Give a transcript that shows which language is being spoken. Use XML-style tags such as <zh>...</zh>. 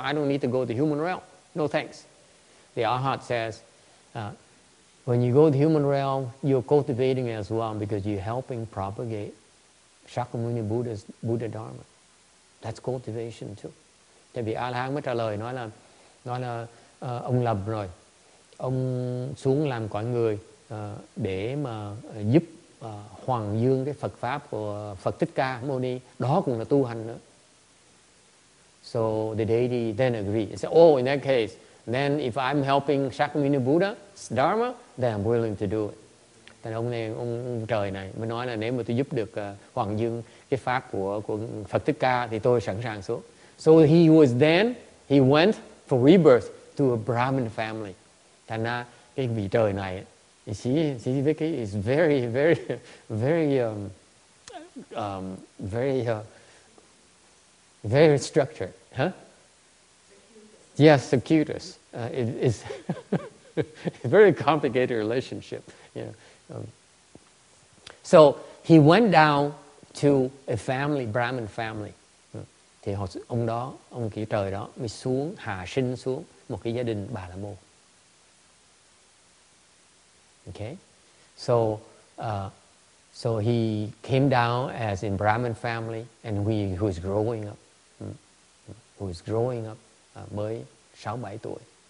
<en>I don't need to go to the human realm. No thanks. The Arhat says, when you go to the human realm, you're cultivating as well because you're helping propagate Shakyamuni Buddha's Buddha Dharma. That's cultivation too.</en> <vi>Tại vì A-la-hán mới trả lời nói là ông lập rồi, ông xuống làm cõi người để mà giúp hoàng dương cái Phật pháp của Phật Thích Ca Mâu Ni, đó cũng là tu hành nữa.</vi> <en>So the deity then agreed. He said, oh, in that case, then if I'm helping Shakyamuni Buddha's Dharma, then I'm willing to do it.</en> <vi>Tại ông trời này mới nói là nếu mà tôi giúp được hoàng dương cái pháp của Phật Thích Ca thì tôi sẵn sàng xuống.</vi> <en>So he went for rebirth to a Brahmin family.</en> <vi>Thành ra cái vị trời này,</vi> <en>see Vicky, is very, very, very, very structured, huh? Circuitous. Yes, circuitous. It is a very complicated relationship. Yeah. So he went down to a family, Brahmin family.</en> <vi>Thì ông đó, ông kia trời đó, mới xuống, hạ sinh xuống một cái gia đình Bà La Môn.</vi> <en>Okay? So he came down as in Brahmin family, and who was growing up,</en> <vi>mới 6-7 tuổi.</vi>